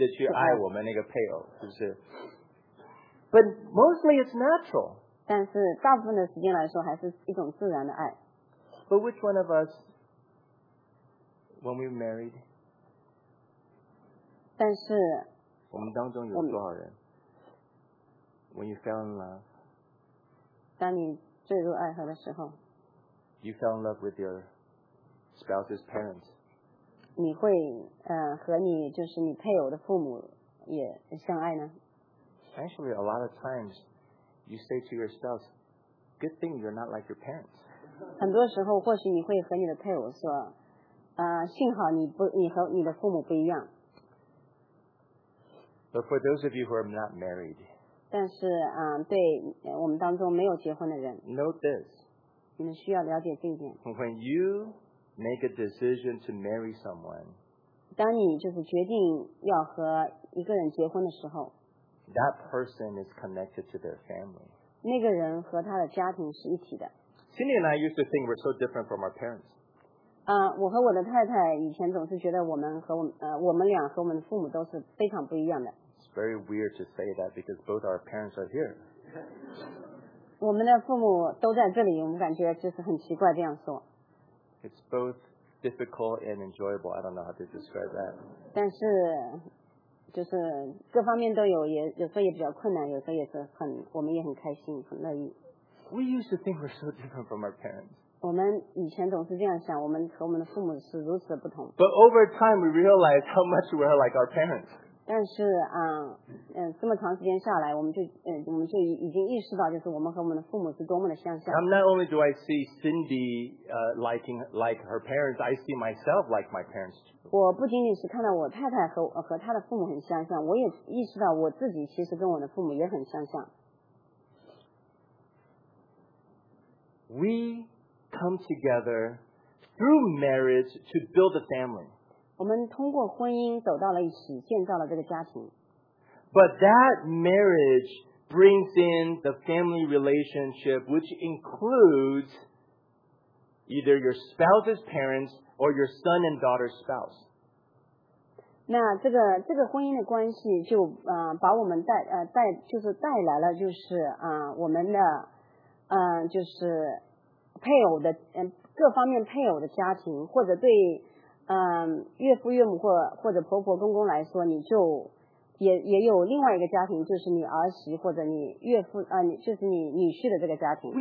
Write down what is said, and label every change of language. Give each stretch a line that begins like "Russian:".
Chinese: 所以有时候我们也要，有时候到一个地步，我们要强迫我们自己努力的、刻意的去爱我们那个配偶，是不是？
English: But mostly it's natural.
Chinese: 但是大部分的时间来说，还是一种自然的爱。
English: But which one of us, when we married,
Chinese: 但是我们当中有多少人
English: when you fell in love,
Chinese: 当你坠入爱河的时候
English: you fell in love with your spouse's parents,
Chinese: 你会和你就是你配偶的父母也相爱呢？
English: Actually, a lot of times you say to your spouse,Good thing you're not like your parents.
Chinese: 很多时候，或许你会和你的配偶说，幸好你不，你和你的父母不一样。
English: But for those of you who are not married,
Chinese: 但是，对我们当中没有结婚的人
English: ，Note this.
Chinese: 你们需要了解这一点。
English: When you make a decision to marry someone,
Chinese: 当你就是决定要和一个人结婚的时候
English: ，That person is connected to their family.
Chinese: 那个人和他的家庭是一体的。
English: Cindy and I used to think we're so different from our parents.
Chinese: 我和我的太太以前总是觉得我们和我们俩和我们的父母都是非常不一样的。
English: It's very weird to say that because both our parents are here.
Chinese: 我们的父母都在这里，我们感觉就是很奇怪这样说。
English: It's both difficult and enjoyable. I don't know how to describe that.
Chinese: 但是。就是各方面都有，也有时候也比较困难，有时候也是很，我们也很开心，很乐意。
English: We used to think we're so different from our parents.
Chinese: 我们以前总是这样想，我们和我们的父母是如此的不同。
English: But over time, we realized how much we're like our parents.
Chinese: 但是这么长时间下来，我们就已经意识到，就是我们和我们的父母是多么的相像。
English: Not only do I see Cindy like her parents, I see myself like my parents.
Chinese: 我不仅仅是看到我太太 和她的父母很相像，我也意识到我自己其实跟我的父母也很相像。
English: We come together through marriage to build a family.
Chinese: 我们通过婚姻走到了一起，建造了这个家庭。
English: But that marriage brings in the family relationship, which includes either your spouse's parents. Or your son and daughter's spouse.
Chinese: 那这个婚姻的关系就把我们带就是带来了就是我们的就是配偶的各方面配偶的家庭，或者对岳父岳母或者婆婆公公来说，你就也有另外一个家庭，就是你儿媳或者你岳父就是你女婿的这个家庭。